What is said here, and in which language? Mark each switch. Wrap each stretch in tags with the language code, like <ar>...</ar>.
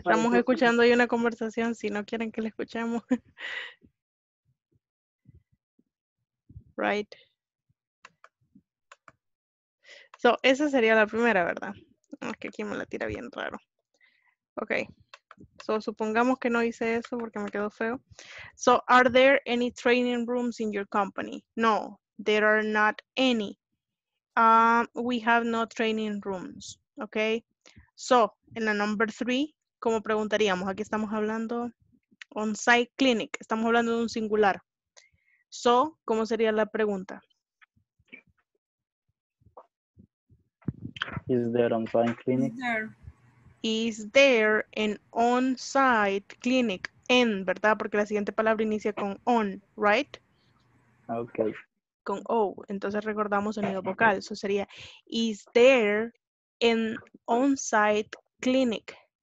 <es>estamos escuchando ahí una conversación, si no quieren que la escuchemos.</es> <en>Right.</en> <es>So, esa sería la primera, ¿verdad? Es que aquí me la tira bien raro. Ok. So, supongamos que no hice eso porque me quedó feo.</es> <en>So, are there any training rooms in your company? No, there are not any. We have no training rooms. Ok.</en> <es>So, en la number 3, ¿cómo preguntaríamos? Aquí estamos hablando on-site clinic. Estamos hablando de un singular. So, ¿cómo sería la pregunta?</es> <en>Is there on-site clinic? Is there an on-site clinic?</en> <es>En, ¿verdad? Porque la siguiente palabra inicia con on, right?</es> <en>Okay.</en> <es>Con O. Entonces recordamos sonido vocal.</es> <en>So, sería, is there an on-site clinic?</en>